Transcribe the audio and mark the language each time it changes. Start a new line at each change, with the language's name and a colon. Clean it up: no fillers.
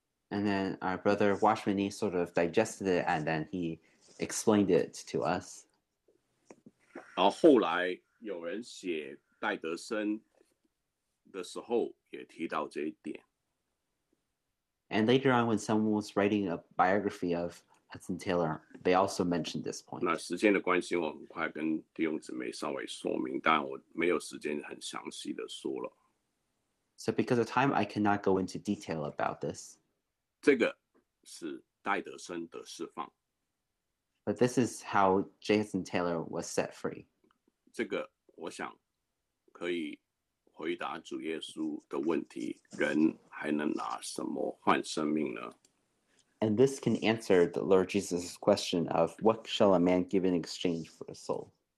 English: And then our brother Washmani sort of digested it and then he explained it to us.
Chinese: 然后后来有人写戴德森的时候也提到这一点。
English: And later on when someone was writing a biography of Hudson Taylor, they also mentioned this point.
Chinese: 那时间的关系我很快跟弟兄姊妹稍微说明，但我没有时间很详细的说了。
English: So because of time, I cannot go into detail about this.
Chinese: 这个是戴德森的释放。
English: But this is how Jason Taylor was set free.
Chinese: 这个我想可以回答主耶稣的问题，人还能拿什么换生命呢？
English: And this can answer the Lord Jesus' question of what shall a man give in exchange for a soul?